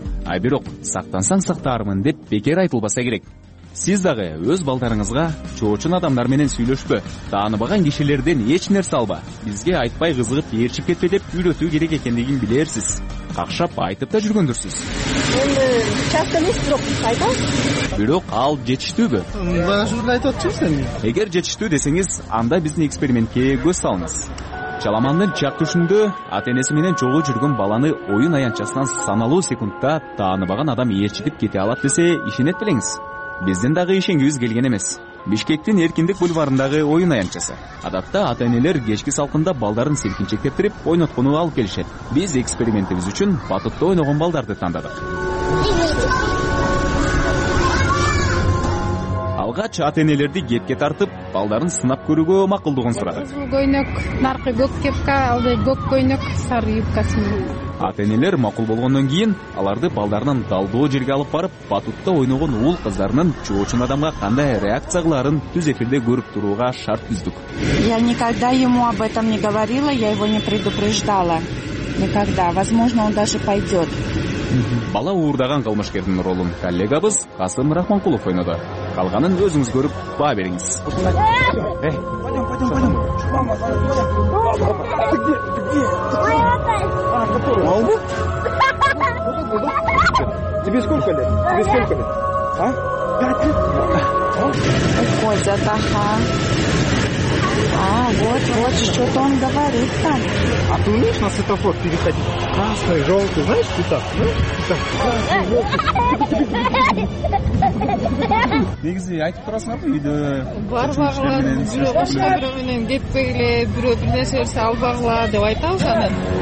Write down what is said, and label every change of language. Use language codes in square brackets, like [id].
[ky] А бирок сактансаң сактаармын деп бекер айтылбаса керек. Сиз дагы өз балдарыңызга чоочун адамдар менен сүйлөшпө, тааныбаган кишилерден эч нерсе алба, бизге айтпай кызыгып ээрчип кетпе деп үйрөтүү керек экендигин билерсиз. Какшап айтып да жүргөндүрсүз. Эми часто эмес, бирок айтам. Бирок ал жетиштүүбү? Мына ушуну айтып атчумун сен. Эгер жетиштүү десеңиз, анда биздин экспериментке көз салыңыз. Чаламандын чактышында ата-энеси менен жолу жүргөн баланы оюн аянтчасынан саналуу секундта тааныбаган адам ээрчитип кете алат десе ишенет белеңиз. Биздин дагы ишенгибиз келген эмес. Бишкектин Эркиндик бульварындагы оюн аянтчасы. Адатта ата-энелер кечки салкында балдарын силкинчектептирип ойноткону алып келишет. Биз экспериментибиз үчүн батутта ойногон балдарды тандадык. Алгач ата-энелерди кепке тартып, балдарын сынап көрүүгө макулдугун сурады. Кызыл көйнөк, наркы көк кепка, алды көк көйнөк, сары юбкасы менен. Ата-энелер макул болгондон кийин аларды балдарынын далдоо жерге алып барып, батутта ойногон уул кыздарынын чоочун адамга кандай реакция кылаарын түз эфирде көрүп турууга шарт түздүк. [ru] Я никогда ему об этом не говорила, я его не предупреждала. Никогда. Возможно, он даже пойдет. [ky] Бала уурдаган кылмышкердин ролун коллегабыз Касым Рахманкулов ойноду. Калганын өзүңүз көрүп баа бериңиз. [ru] Тебе сколько лет? Тебе сколько лет? А? Ой, затаха. А, вот, вот, что-то он говорит там. А ты умеешь на светофор переходить? Красный, желтый, знаешь, и так, ну? [ky] Негизи айтып турасыңарбы үйдө барбагыла, бирок башка бирөө менен кетпегиле, бирөө бир нерсе берсе албагыла деп айтабыз анан.